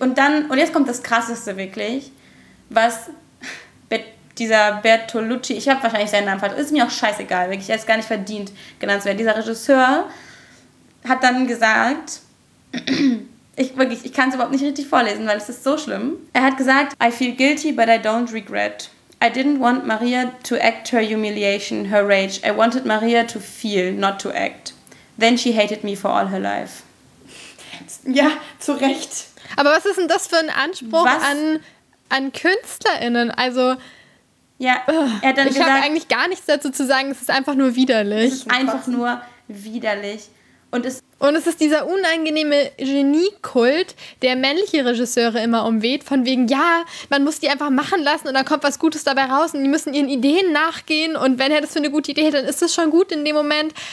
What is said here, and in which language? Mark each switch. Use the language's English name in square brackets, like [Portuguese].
[German] Und dann, und jetzt kommt das Krasseste wirklich, was dieser Bertolucci, ich habe wahrscheinlich seinen Namen falsch, ist mir auch scheißegal, wirklich, er ist gar nicht verdient, genannt zu werden. Dieser Regisseur hat dann gesagt, ich kann es überhaupt nicht richtig vorlesen, weil es ist so schlimm. Er hat gesagt, [English] I feel guilty, but I don't regret. I didn't want Maria to act her humiliation, her rage. I wanted Maria to feel, not to act. Then she hated me for all her life. [German] Ja, zu Recht. Aber was ist denn das für ein Anspruch an KünstlerInnen? Also, Ja, er hat dann gesagt, ich habe eigentlich gar nichts dazu zu sagen, es ist einfach nur widerlich. Es ist einfach nur widerlich. Und es ist dieser unangenehme Geniekult, der männliche Regisseure immer umweht, von wegen, ja, man muss die einfach machen lassen und dann kommt was Gutes dabei raus und die müssen ihren Ideen nachgehen und wenn er das für eine gute Idee hat, dann ist das schon gut in dem Moment.